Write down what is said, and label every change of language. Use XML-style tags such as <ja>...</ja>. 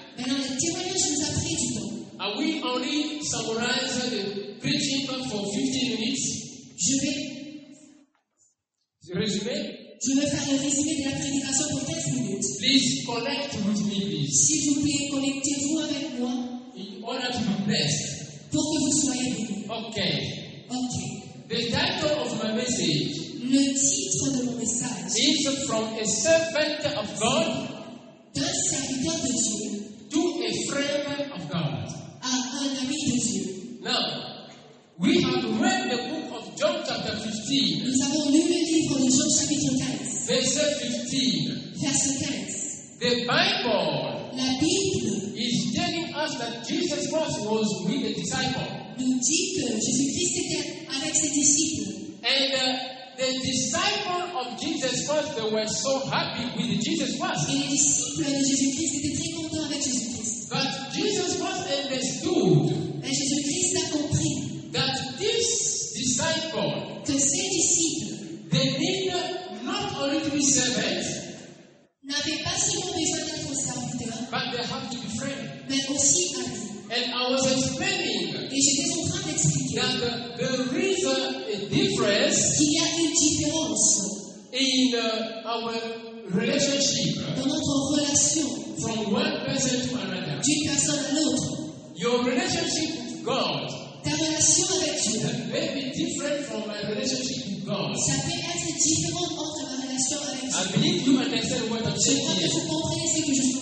<fr>Maintenant le témoignage nous a pris du temps.</fr> <en>Are we only summarizing the preaching for 15 minutes?</en> <fr>Je vais. Le résumé. Je vais faire le résumé de la prédication pour 15 minutes.</fr> <en>Please connect with me, please.</en> <fr>S'il vous plaît, connectez-vous avec moi.</fr> <en>In order to be blessed.</en> <fr>Pour que vous soyez bénis.</fr> <en>Okay. Okay. The title of my message.</en> <fr>Le titre de mon message.</fr> <en>Is from a servant of God.</en> <fr>D'un serviteur de Dieu.</fr> <en>To a friend of God.</en> <fr>À un ami de Dieu.</fr> <en>Now, we have read the book of John chapter 15.</en> <fr>Nous avons lu le livre de Jean chapitre 15. Verset 15.</fr> <en>Verse 15. The Bible.</en> <fr>La Bible.</fr> <en>Is telling us that Jesus Christ was with the disciples.</en> <fr>Nous dit que Jésus-Christ était avec ses disciples.</fr> <en>And the disciples of Jesus Christ, they were so happy with Jesus Christ.</en> <fr>Et les disciples de Jésus-Christ étaient très contents avec Jésus-Christ.</fr> <en>But Jesus Christ understood.</en> <fr>Et Jésus-Christ a compris.</fr> <en>That this disciple.</en> <fr>Que ces disciples.</fr> <en>They needed not only to be servants.</en> <fr>N'avaient pas seulement besoin d'être serviteurs.</fr> <en>But they have to be friends.</en> <fr>Mais aussi amis.</fr> <en>And I was explaining.</en> <fr>Et j'étais en train d'expliquer.</fr> <en>That the reason.</en> <fr>Qu'il y a une différence</fr> <en>in our relationship</en> <fr>dans notre relation</fr> <en>from one person to another.</en> <fr>D'une personne à l'autre.</fr> <en>Your relationship with God,</en> <fr>ta relation avec Dieu,</fr> <en>may be different from my relationship with God.</en> <fr>Ça peut être différent entre ma relation avec Dieu.</fr> <en>I believe you understand what I'm saying.</en> <fr>Je crois que vous comprenez ce que je vous</fr>